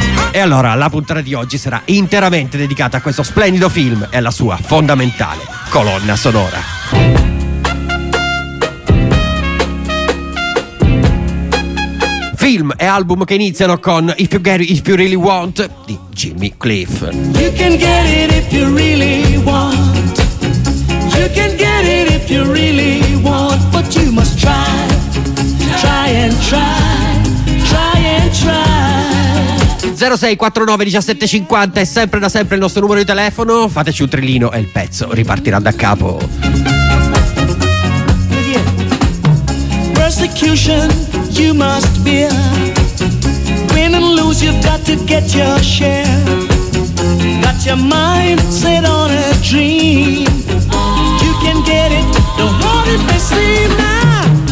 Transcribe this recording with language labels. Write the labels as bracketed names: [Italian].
[Italian] E allora la puntata di oggi sarà interamente dedicata a questo splendido film e alla sua fondamentale colonna sonora. Film e album che iniziano con If You Get It If You Really Want di Jimmy Cliff. [English] You can get it if you really want. You can get it if you really want. But you must try, try and try, try and try. [Italian] 0649 1750 è sempre da sempre il nostro numero di telefono. Fateci un trillino e il pezzo ripartirà da capo. [English] Persecution, you must bear. Win and lose, you've got to get your share. Got your mind set on a dream. You can get it, don't want it to see now.